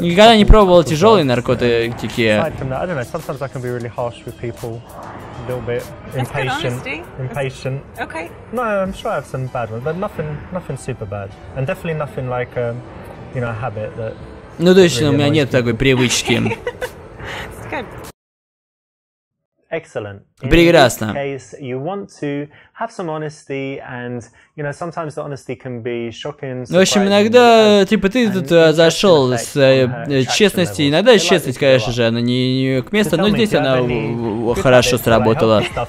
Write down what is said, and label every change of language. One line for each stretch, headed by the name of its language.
Russian: никогда не пробовал тяжелые наркотики. Ну, точно, у меня нет такой привычки.
English: Excellent.
Russian: Прекрасно.
English: In this case, you want to have some honesty, and you know sometimes the honesty can be shocking.
Russian: В общем, иногда, типа, ты тут зашел с честностью. Иногда честность, конечно же, она не к месту, но здесь она хорошо сработала.